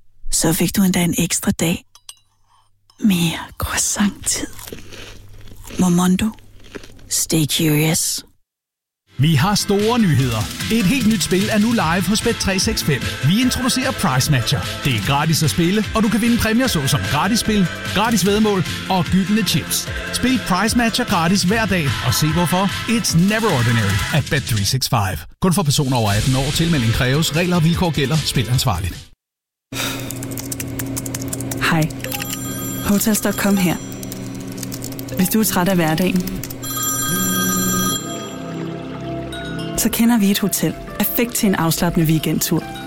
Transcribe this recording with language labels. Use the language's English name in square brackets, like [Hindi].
[Danish] Så fik du endda en ekstra dag. Mere croissant-tid. Momondo. [English] Stay curious. [Danish] Vi har store nyheder. Et helt nyt spil er nu live hos Bet365. Vi introducerer Price Matcher. Det er gratis at spille, og du kan vinde præmier såsom gratis spil, gratis væddemål og gyldne chips. Spil Price Matcher gratis hver dag og se hvorfor. [English] It's never ordinary at Bet365. [Danish] Kun for personer over 18 år. Tilmelding kræves. Regler og vilkår gælder. Spil ansvarligt. Hej. Hotels.com her. Hvis du er træt af hverdagen, så kender vi et hotel perfekt til en afslappende weekendtur.